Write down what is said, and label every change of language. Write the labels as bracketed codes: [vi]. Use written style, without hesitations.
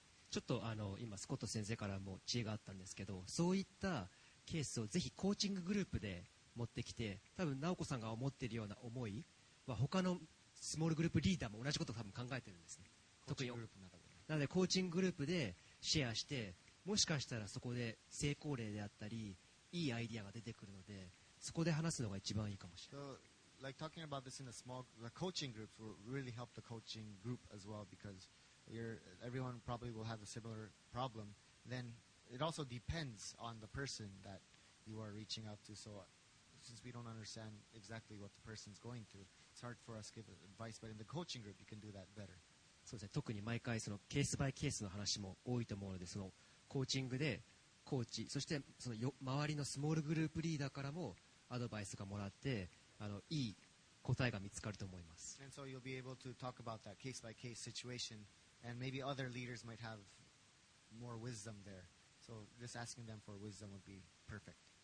[ja] ちょっと今スコット先生からも知恵があったんですけど、そういったケースをぜひコーチンググループで持ってきて、多分直子さんが思っているような思いは他のスモールグループリーダーも同じことを多分考えているんですね。コーチンググループの中で、なのでコーチンググループでシェアして、もしかしたらそこで成功例であったりいいアイディアが出てくるので、そこで話すのが一番いいかもしれない。 [en] So, like talking about this in a small group, the coaching groups will really help the coaching group as well, becauseeveryone probably will have a similar problem. Then it also depends on the person that you are reaching out to. So since we don't understand exactly what the person's going through, it's hard for us to give advice. But in the coaching group, you can do that better. [ja] そうですね。特に毎回そのケースバイケースの話も多いと思うので、そのコーチングでコーチ、そしてその周りのスモールグループリーダーからもアドバイスがもらって、いい答えが見つかると思います。 [en] And so you'll be able to talk about that case by case situation. And maybe other leaders might have more wisdom there. So just asking them for wisdom would be perfect.